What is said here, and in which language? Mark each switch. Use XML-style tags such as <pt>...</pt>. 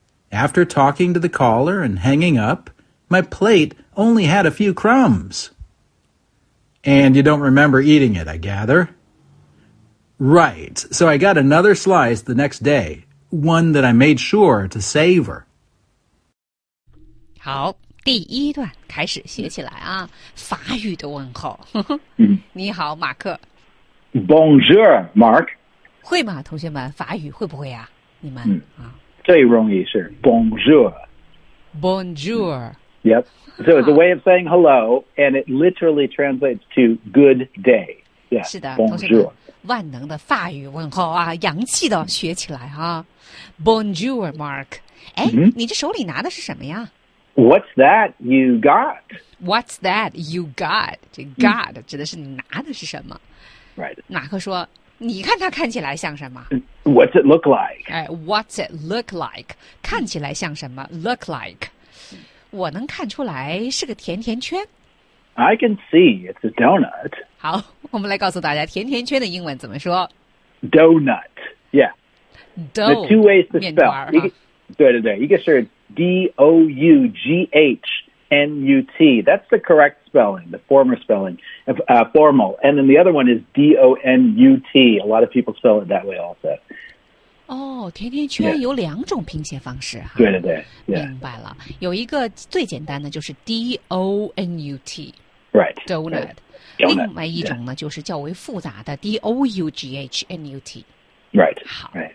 <en>After talking to the caller and hanging up, my plate only had a few crumbs. And you don't remember eating it, I gather. Right, so I got another slice the next day, one that I made sure to savor.</en> <zh>好，第一段开始写起来啊，法语的问候。你好，马克。</zh> <fr>Bonjour, Mark.</fr> <zh>会吗，同学们？法语会不会啊？你们啊，最容易是 Bonjour.</zh> <fr>Bonjour.</fr> <en>Yep. So it's a way of saying hello, and it literally translates to good day. Yeah.</en> <zh>是的，</zh> <fr>Bonjour.</fr> <zh>万能的法语问候啊，洋气的学起来啊。</zh> <fr>Bonjour, Mark.</fr> <zh>哎，你这手里拿的是什么呀？</zh> <en>What's that you got? What's that you got?</en> <zh>这 got 指的是你拿的是什么？</zh> <en>Right.</en> <zh>马克说你看它看起来像什么</zh> <en>What's it look like? What's it look like?</en> <zh>看起来像什么 Look like 我能看出来是个甜甜圈</zh> <en>I can see it's a donut</en> <zh>好我们来告诉大家甜甜圈的英文怎么说</zh> <en>Donut Yeah Dough, The two ways to spell</en> <zh>对对对一个是</zh> <en>D-O-U-G-H N-U-T That's the correct spelling The former spellingformal. And then the other one is D-O-N-U-T. A lot of people spell it that way also.</en> <zh>Oh, 甜甜圈 有两种拼写方式。对对对。明白了。有一个最简单的就是 D-O-N-U-T.</zh> <en>Right. Donut. Donut.</en> <zh>另外一种呢就是较为复杂的 D-O-U-G-H-N-U-T.</zh> <en>Right.</en> <zh>好。</zh> <en>Right.</en>